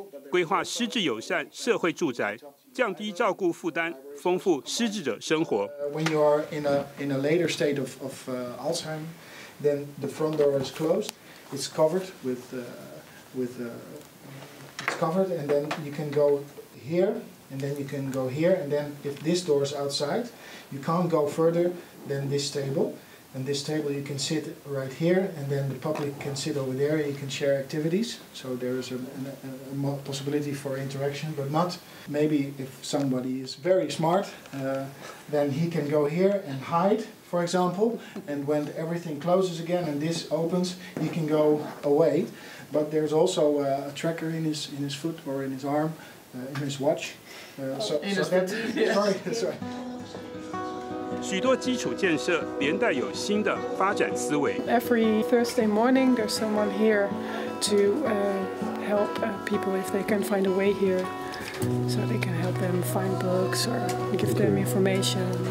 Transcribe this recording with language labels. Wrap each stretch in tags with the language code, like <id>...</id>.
<zh>规划失智友善社会住宅，降低照顾负担，丰富失智者生活。</zh> <en>When you are in a later state of Alzheimer, then the front door is closed. It's covered it's covered, and then you can go here, and then you can go here, and then if this door is outside, you can't go further than this table. And this table, you can sit right here, and then the public can sit over there. You can share activities, so there is a possibility for interaction. But not maybe if somebody is very smart, then he can go here and hide, for example. And when everything closes again and this opens, he can go away. But there's also a tracker in his foot or in his arm, in his watch. Sorry.</en> <zh>许多基础建设连带有新的发展思维。</zh> <en>Every Thursday morning, there's someone here to help people if they can find a way here, so they can help them find books or give them information.</en>